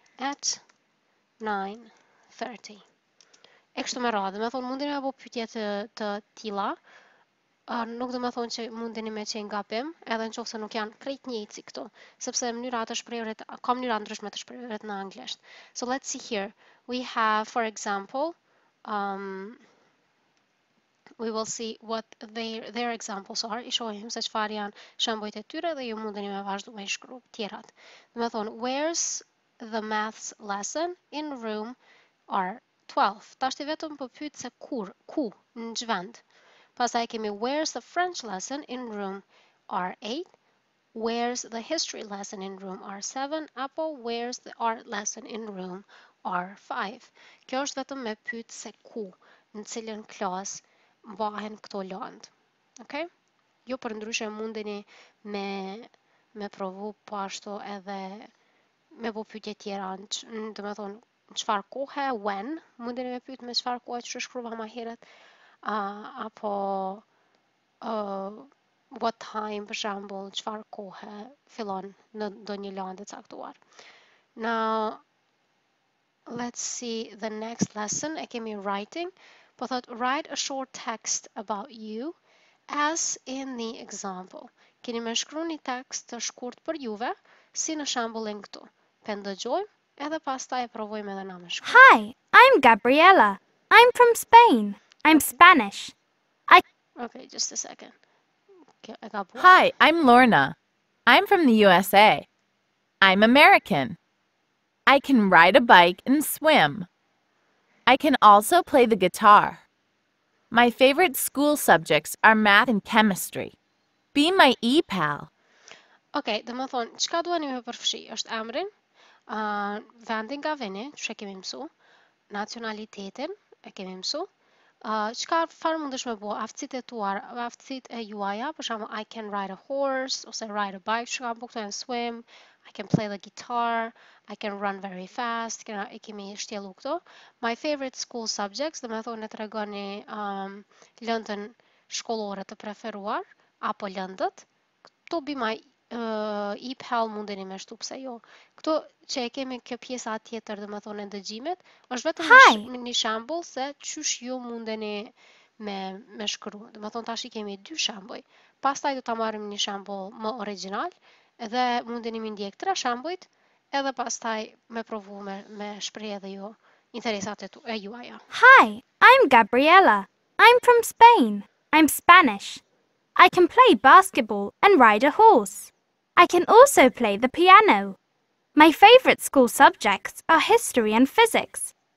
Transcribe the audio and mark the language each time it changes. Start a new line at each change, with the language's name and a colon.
Albanian: At 9:30. E kështu me radhë, me thonë mundeni me bëu pyetje të tilla. Nuk do të më thonë që mundeni me qenë gabim, edhe në qoftë se nuk janë krejt njëjtësi këto, sepse mënyra të shprehurit ka mënyra ndryshme të shprehurit në anglisht.
English: So let's see here. We have, for example, we will see what their examples are.
Albanian: I shohim se çfarë janë shembujt e tyre dhe ju mundeni me vazhdu me shkru tjerat. Dhe me thonë,
English: where's the maths lesson in room R12?
Albanian: Ta shti vetëm për pytë se kur, ku, në gjvend.
English: Pasaj kemi, where's the French lesson in room R8? Where's the history lesson in room R7? Apo, where's the art lesson in room R5?
Albanian: Kjo është vetëm me pytë se ku, në cilën klasë, bëhen këto lëndë. Okay? Jo për ndryshe mundeni me provu po ashtu edhe me bu pyetje tjera, do të thonë çfarë kohe, when, mundeni me pyet me çfarë kohe që shkruva më herët, apo what time për shembull, çfarë kohe fillon në ndonjë lëndë të caktuar.
English: Now let's see the next lesson,
Albanian: e kemi
English: writing.
Albanian: Po thot,
English: write a short text about you as in the example.
Albanian: Keni me shkru një tekst të shkurt për juve, si në shembullin këtu. Pendëgjojmë, edhe pastaj e provojmë edhe na me shkru.
English: Hi, I'm Gabriela. I'm from Spain. I'm Spanish. Okay, just a second. Hi, I'm Lorna. I'm from the USA. I'm American. I can ride a bike and swim. I can also play the guitar. My favorite school subjects are math and chemistry. Be my e-pal.
Albanian: Okej, okay, do më thonë, qka duani me përfshi? Është emrin, vendin nga vini, që kemi mësu, nacionalitetin, e kemi mësu, qka farë mundesh me bo, aftësit e tuar, aftësit e juaja, për shumë,
English: I can ride a horse,
Albanian: ose ride a bike, që ka më buktojnë swim,
English: I can play the guitar, I can run very fast,
Albanian: kena, e kemi shtjelu këto.
English: My favorite school subjects,
Albanian: dhe me thonë e të regoni lëndën shkollore të preferuar, apo lëndët, këto bi my e-pal mundeni me shtu pse jo. Këto që e kemi kjo pjesa tjetër, dhe me thonë e ndëgjimit, është vetëm
English: Hi.
Albanian: Një shambull se qysh ju mundeni me shkru. Dhe me thonë tash i kemi dy shambuj. Pastaj do të marim një shambull më original, edhe mundeni me ndjek tre shambujt, edhe pastaj me provu me shprehje edhe ju interesat e juaja.
English: Hi, I'm Gabriela. I'm from Spain. I'm Spanish. I can play basketball and ride a horse. I can also play the piano. My favorite school subjects are history and physics.